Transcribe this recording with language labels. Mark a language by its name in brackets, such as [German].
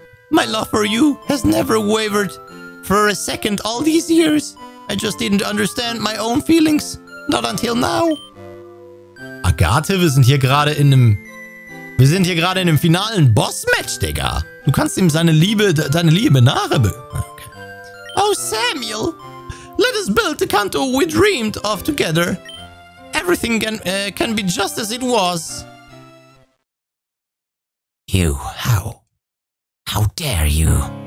[English] My love for you has never wavered for a second all these years. I just didn't understand my own feelings. Not until now. [German] Agathe, wir sind hier gerade in einem finalen Boss-Match, Digga. Du kannst ihm deine Liebe nachher. Okay. Oh, Samuel. [English] Let us build the Kanto we dreamed of together. Everything can be just as it was. You, how? How dare you?